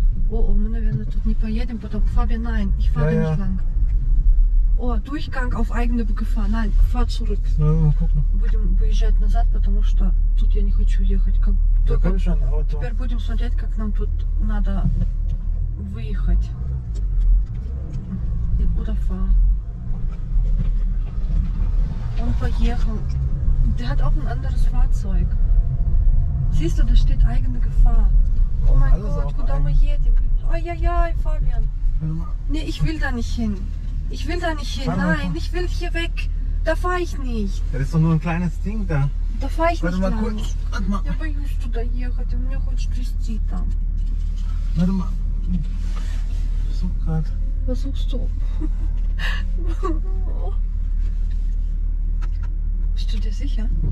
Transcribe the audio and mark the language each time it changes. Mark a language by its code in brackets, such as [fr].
[ru] о, мы, наверное, тут не поедем, потом Фаби, [de] nein, ich fahre nicht lang. О, Durchgang auf eigene Gefahr, nein, fahr zurück. [ru] Ну, ну, будем выезжать назад, потому что тут я не хочу ехать. Как, да, конечно, на авто. Теперь будем смотреть, как нам тут надо выехать. И куда фар? Он поехал. [de] Der hat auch ein anderes Fahrzeug. Siehst du, da steht eigene Gefahr. Oh mein Gott, [ru] куда мы едем? Ай-яй-яй, Фабиан. [de] Nee, ich will da nicht hin. Ich will da nicht hin. Nein, ich will hier weg. Da fahr ich nicht. Das ist doch nur ein kleines Ding da. Da fahr ich nicht lang. Warte mal kurz. Warte mal. [ru] Я боюсь туда ехать, и мне хочет трясти там. [de] Warte mal. Versuch grad. Was suchst du? Bist du dir sicher?